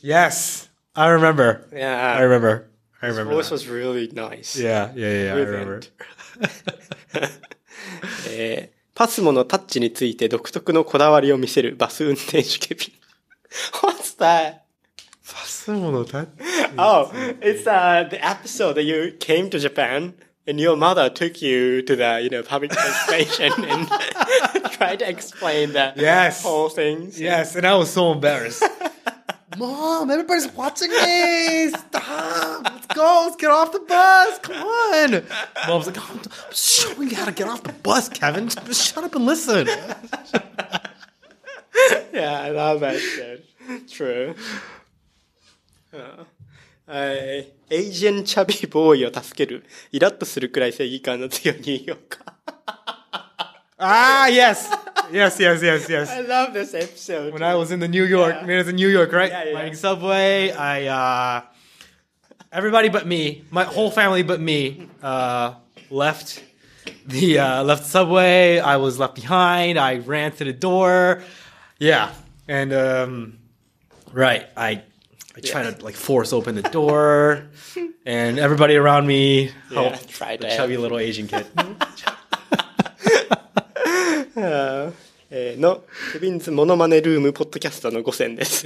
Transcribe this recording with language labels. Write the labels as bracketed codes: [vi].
[en] Yes. I remember. Yeah. I remember. His voice was really nice. Yeah. Brilliant. I remember. [ja] Pasmo のタッチについて独特のこだわりを見せるバス運転手ケビン。 [en] What's that? [ja] Pasmo のタッチ? [en] Oh, it's the episode that you came to Japan. And your mother took you to the, you know, public transportation and tried to explain the yes. whole thing. Yes, and I was so embarrassed. Mom, everybody's watching me. Stop. Let's go. Let's get off the bus. Come on. Mom's like, oh, I'm showing you how to get off the bus, Kevin. Just shut up and listen. Yeah, I love that shit. True. [ja] エイジェンチャビーボーイを助ける。イラッとするくらい正義感の強いニューヨーカ [en] ー。 Ah, yes! Yes, yes, yes, yes. I love this episode. When I was in the New York, yeah. I mean, it was in New York, right? Yeah, yeah. Riding subway, I, everybody but me, my whole family but me, left the subway. I was left behind. I ran to the door. Yeah. And, right. I try to like force open the door and everybody around me helped the chubby little Asian kid. [ja] のケビンズモノマネルームポッドキャストの5選です。